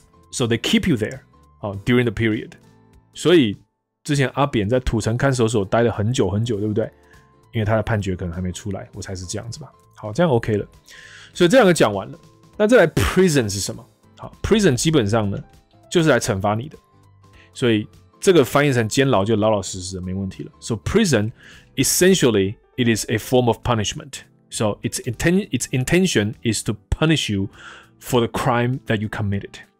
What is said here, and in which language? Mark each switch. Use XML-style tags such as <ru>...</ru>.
<en>So they keep you there, during the period.</en> <zh>所以之前阿扁在土城看守所待了很久很久，对不对？因为他的判决可能还没出来，我猜是这样子吧。好，这样 OK 了。所以这两个讲完了，那再来 prison 是什么？好 ，prison 基本上呢就是来惩罚你的。所以这个翻译成监牢就老老实实的没问题了。</zh> <en>So prison essentially it is a form of punishment. So its intention is to punish you for the crime that you committed.</en>